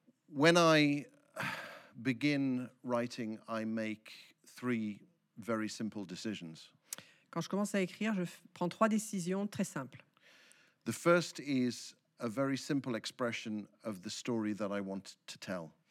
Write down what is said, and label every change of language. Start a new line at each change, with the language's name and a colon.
English: When I begin writing, I make three very simple decisions.
French: Quand je commence à écrire, je prends trois décisions très simples.
English: The first is a very simple expression of the story that I want to tell.